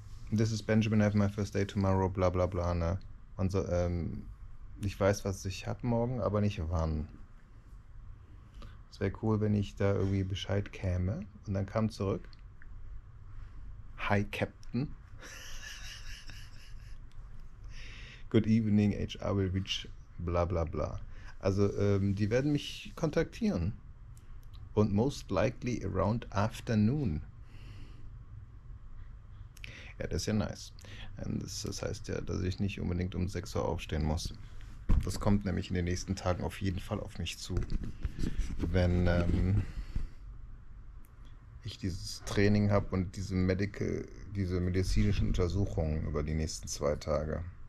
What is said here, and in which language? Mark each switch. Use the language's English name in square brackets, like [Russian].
[English] This is Benjamin, I have my first day tomorrow, bla bla bla. [German] Ne? Und so, ich weiß, was ich habe morgen, aber nicht wann. Es wäre cool, wenn ich da irgendwie Bescheid käme. Und dann kam zurück. Hi, Captain. [English] Good evening, HR will reach, bla bla bla. [German] Also, die werden mich kontaktieren. Und [English] most likely around afternoon. [German] Ja, das ist ja nice. Und das heißt ja, dass ich nicht unbedingt um 6 Uhr aufstehen muss. Das kommt nämlich in den nächsten Tagen auf jeden Fall auf mich zu. Wenn ich dieses Training habe und diese medizinischen Untersuchungen über die nächsten 2 Tage.